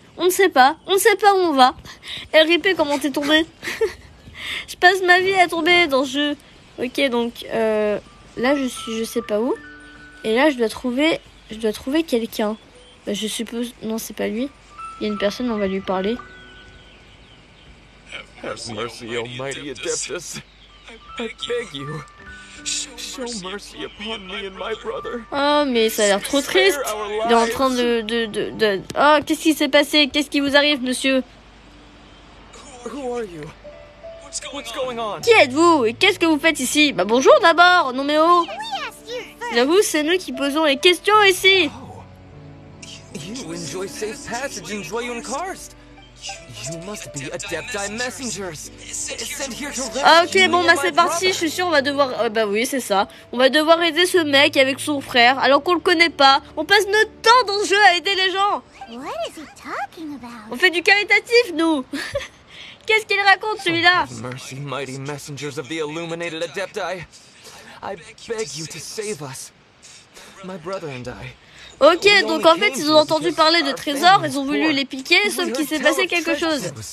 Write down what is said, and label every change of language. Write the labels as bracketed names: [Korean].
[French] On ne sait pas où on va. RIP, comment t'es tombé? Je passe ma vie à tomber dans ce jeu. Ok, donc là, je suis je sais pas où. Et là, je dois trouver quelqu'un. Bah, je suppose... Non, c'est pas lui. Il y a une personne, on va lui parler. [English] Merci, Almighty Adeptus. I beg you, show mercy upon me and my brother. [French] Oh, mais ça a l'air trop triste. Il est en train de... Oh, qu'est-ce qui s'est passé? Qu'est-ce qui vous arrive, monsieur? [English] Who are you? What's going on? [French] Qui êtes-vous? Et qu'est-ce que vous faites ici? Bah, bonjour d'abord, non mais oh. J'avoue, c'est nous qui posons les questions ici. [English] You enjoy safe passage in Joyun Karst. You must be Adepti messengers. Sent here to rescue. [French] Ah ok, bon bah c'est parti. Je suis sûr on va devoir. Bah oui, c'est ça. On va devoir aider ce mec avec son frère alors qu'on le connaît pas. On passe notre temps dans ce jeu à aider les gens. [English] What is he talking about? [French] On fait du caritatif, nous. Qu'est-ce qu'il raconte celui-là? [English] Mercy, mighty messengers of the illuminated Adepti, I beg you to save us. My brother and I. [French] Ok, donc en fait, ils ont entendu parler de trésors, ils ont voulu les piquer, sauf qu'il s'est passé quelque chose.